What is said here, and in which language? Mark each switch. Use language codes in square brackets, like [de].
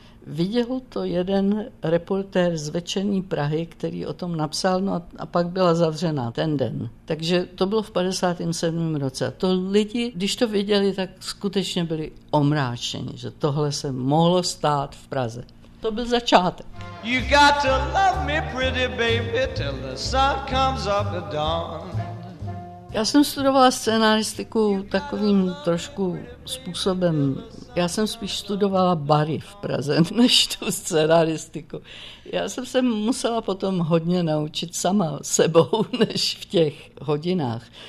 [cs] Viděl to jeden reportér z Večerní Prahy, který o tom napsal, no a pak byla zavřená ten den. Takže to bylo v 57. roce. A to lidi, když to viděli, tak skutečně byli omráčeni, že tohle se mohlo stát v Praze. To byl začátek. [en] You got to love me pretty baby till the sun comes up at dawn. [cs] Já jsem studovala scénaristiku takovým trošku způsobem. Já jsem spíš studovala bary v Praze, než tu scénaristiku. Já jsem se musela potom hodně naučit sama sebou, než v těch hodinách.